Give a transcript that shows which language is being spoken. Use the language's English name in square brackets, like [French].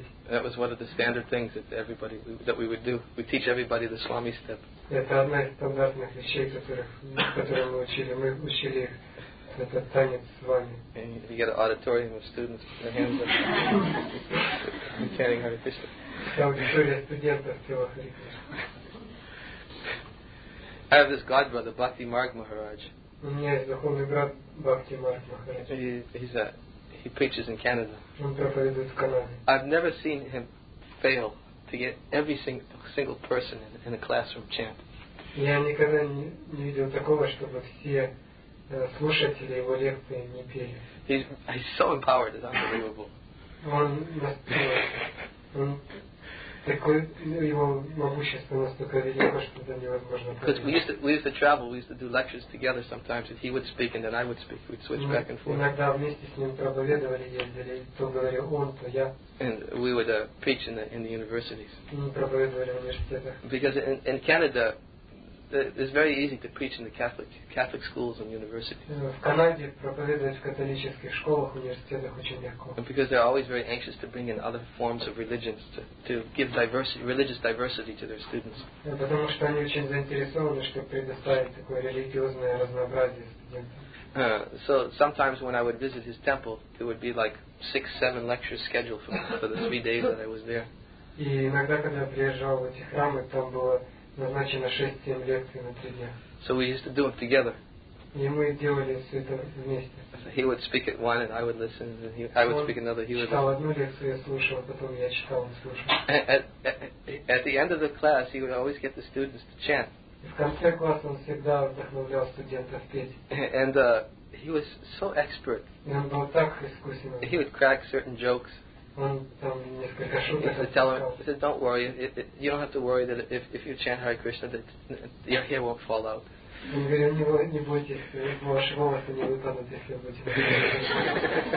[English] That was one of the standard things that everybody that we would do. We teach everybody the Swami step. [Russian] Это одна из стандартных вещей, которые мы учили. Мы учили этот танец с вами. [English] You get an auditorium of students with their hands up. Chanting Hare Krishna. [Russian] Аудитория студентов пела Хари Кришна. [English] I have this god brother, Bhakti Marg Maharaj. [Russian] У меня есть духовный брат Бхакти Марг Махарадж. [English] He preaches in Canada. [Russian] Он проповедует в Канаде. [English] I've never seen him fail to get every single person in a classroom chant. [Russian] Я никогда не видел такого, чтобы все слушатели его лекции не пели. [English] He's so empowered, it's unbelievable. [Russian] Он такой, его могущество настолько велико, что это невозможно. [English] Because we used to travel, we used to do lectures together sometimes, and he would speak and then I would speak, we'd switch back and forth. [Russian] Иногда вместе с ним проповедовали, ездили, то говорил он, то я. [English] And we would preach in the universities. [Russian] Проповедовали в университетах. [English] Because in Canada, it's very easy to preach in the Catholic schools and universities. [Russian] В Канаде проповедовать в католических школах, университетах очень легко. [English] Because they're always very anxious to bring in other forms of religions to give religious diversity to their students. [Russian] Потому что они очень заинтересованы, чтобы предоставить такое религиозное разнообразие студентам. [English] So sometimes when I would visit his temple, there would be like 6-7 lectures scheduled for the 3 days that I was there. [Russian] И иногда, когда я приезжал в эти храмы, там было назначено 6-7 лекций на 3 дня. [English] So we used to do it together. [Russian] И мы делали все это вместе. [English] So he would speak at one and I would listen, and I would speak another. He [Russian] читал одну лекцию, я слушал, потом я читал и слушал. [English] At the end of the class, he would always get the students to chant. [Russian] В конце класса он всегда вдохновлял студентов петь. [English] And he was so expert. [Russian] И он был так искусен. [English] He would crack certain jokes. [Russian] Он там несколько шуток. [English] He would tell him, he said, "Don't worry, you don't have to worry that if you chant Hare Krishna, that your hair won't fall out." [Russian] Он говорил, не бойтесь, ваши волосы не выпадут, если вы будете.